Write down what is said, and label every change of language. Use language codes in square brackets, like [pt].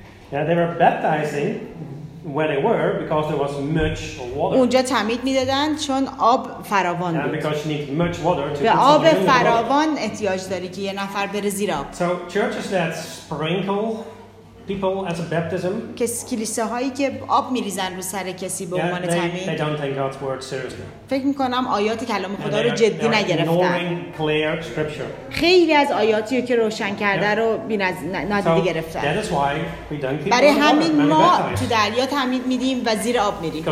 [en] They were baptizing where they were because there was much water. [fa] اونجا تعمید میدادن چون آب فراوان بود. [en] And because you need much water to. [fa] به آب فراوان احتیاج داری که یه نفر بره زیر آب. [en] So churches that sprinkle people as a baptism. [fa] کلیساهایی که آب میریزن رو سر کسی به عنوان تعمید. [en] They don't take God's word seriously. [fa] فکر میکنم آیات کلام خدا رو جدی نگرفتن. [en] Ignoring clear scripture. [fa] خیلی از آیاتی که روشن کرده رو نادیده گرفتن. [en] That is why we don't keep. [fa] برای همین ما تو دریا تعمید میدیم و زیر آب میریم.